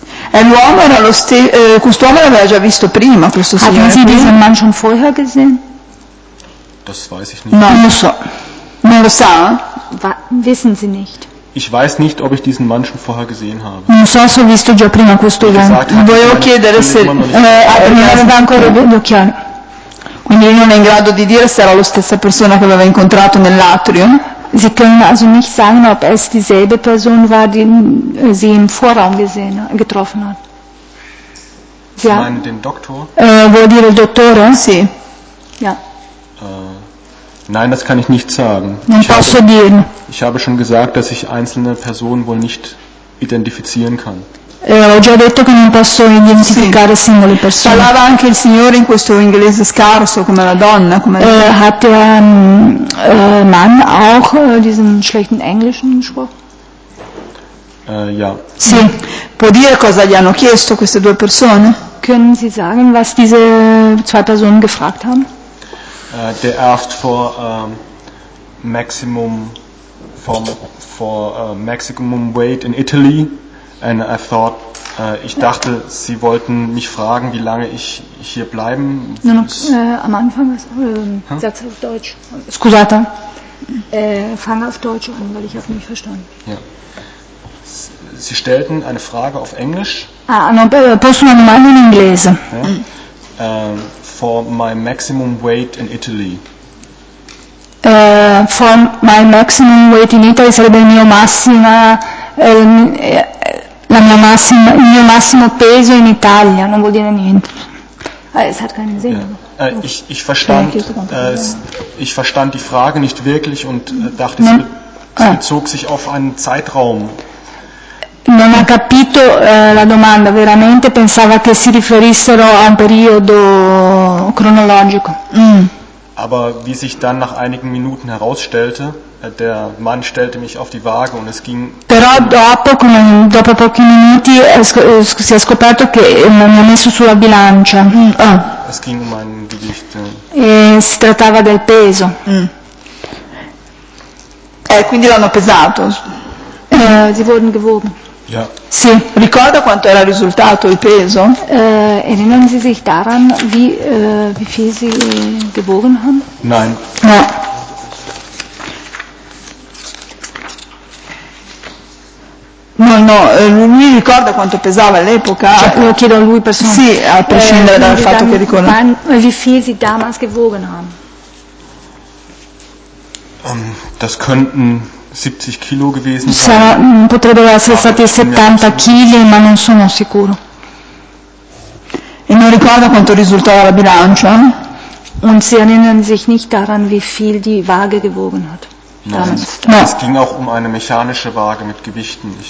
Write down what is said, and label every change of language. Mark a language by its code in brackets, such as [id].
[it] E l'uomo era lo stesso, quest'uomo l'aveva già visto prima, questo signore. [de] Haben Sie diesen Mann schon vorher gesehen? Das weiß ich nicht. [it] Non lo so. Non lo sa? [de] Wissen Sie nicht. Ich weiß nicht, ob ich diesen Mann schon vorher gesehen habe. [it] Non so se ho visto già prima questo uomo. Volevo chiedere se aveva ancora gli occhiali. Quindi non è in grado di dire se era la stessa persona che aveva incontrato nell'atrio. [de] Sie können also nicht sagen, ob es dieselbe Person war, die sie im Vorraum gesehen, getroffen hat. Sie meinen den Doktor? [it] Vuol dire il dottore? Sì. [de] Ja. Nein, das kann ich nicht sagen. Ich habe schon gesagt, dass ich einzelne Personen wohl nicht identifizieren kann. [it] Ho già detto che non posso identificare singole persone. Parlava anche il signore in questo inglese scarso, come la donna, come la donna. [de] Hat der Mann auch diesen schlechten englischen gesprochen? Ja. [it] Sì. Può dire cosa gli hanno chiesto queste due persone? [de] Können Sie sagen, was diese zwei Personen gefragt haben? Der [en] asked for maximum for maximum weight in Italy, and I thought [de] ich dachte, sie wollten mich fragen, wie lange ich hier bleiben. Am Anfang Satz auf Deutsch. [it] Scusate. [de] Fang auf Deutsch an, weil ich habe nicht verstanden. Ja. Sie stellten eine Frage auf Englisch. [it] Posso una domanda in inglese. [de] Ja. [en] For my maximum weight in Italy. For my maximum weight in Italy [it] sarebbe il mio massima, la mia massima, il mio massimo peso in Italia. Non vuol dire niente. [de] Es hat keinen Sinn. Yeah. Ich verstand die Frage nicht wirklich und dachte, es bezog sich auf einen Zeitraum. [it] Non ha capito la domanda veramente, pensava che si riferissero a un periodo cronologico. [de] Aber wie sich dann nach einigen Minuten herausstellte, der Mann stellte mich auf die Waage und es ging. [it] Però dopo pochi minuti si è scoperto che mi ha messo sulla bilancia. [de] Es ging um ein Gewicht. [it] E si trattava del peso. Quindi l'hanno pesato. [de] Sie wurden gewogen. Ja. [it] Sì. Ricorda quanto era il risultato, il peso? [de] Erinnern Sie sich daran, wie viel Sie gewogen haben? Nein. [it] No. No, lui ricorda quanto pesava all'epoca. Cioè, lo chiedo a lui personalmente. Sì, a prescindere dal fatto che ricorda. [de] Wie viel Sie damals gewogen haben? Das könnten 70 Kilo gewesen sein. [it] Potrebbero essere stati 70 kg, ma non sono sicuro. E non ricorda quanto risultava la bilancia? [de] Und sie erinnern sich nicht daran, wie viel die Waage gewogen hat. Nein. Es ging auch um eine mechanische Waage mit Gewichten.